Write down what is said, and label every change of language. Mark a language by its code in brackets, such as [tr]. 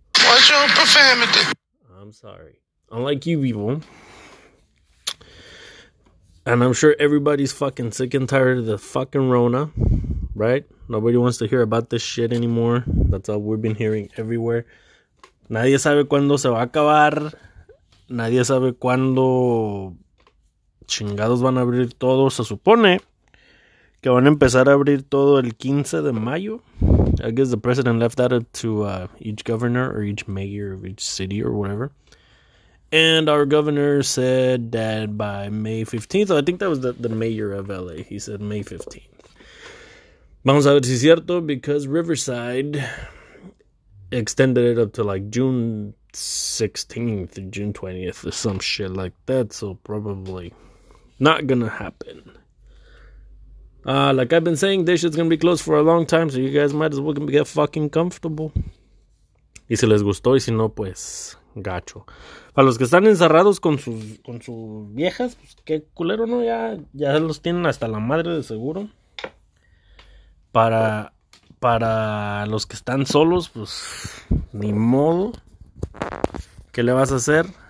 [en] What's your profanity? I'm sorry. Unlike you people. And I'm sure everybody's fucking sick and tired of the fucking Rona. Right? Nobody wants to hear about this shit anymore. That's all we've been hearing everywhere. [es] Nadie sabe cuándo se va a acabar. Nadie sabe cuándo chingados van a abrir todo. Se supone que van a empezar a abrir todo el 15 de mayo. [en] I guess the president left that up to each governor or each mayor of each city or whatever. And our governor said that by May 15th, I think that was the mayor of LA. He said May 15th. [es] Vamos a ver si es cierto, [en] because Riverside extended it up to like June 16th or June 20th or some shit like that. So probably not gonna happen. Like I've been saying, this shit's gonna be closed for a long time. So you guys might as well get fucking comfortable. [es] Y si les gustó y si no, pues gacho. Para los que están encerrados con sus viejas, pues qué culero, ¿no? Ya los tienen hasta la madre de seguro. Para los que están solos, pues ni modo. ¿Qué le vas a hacer?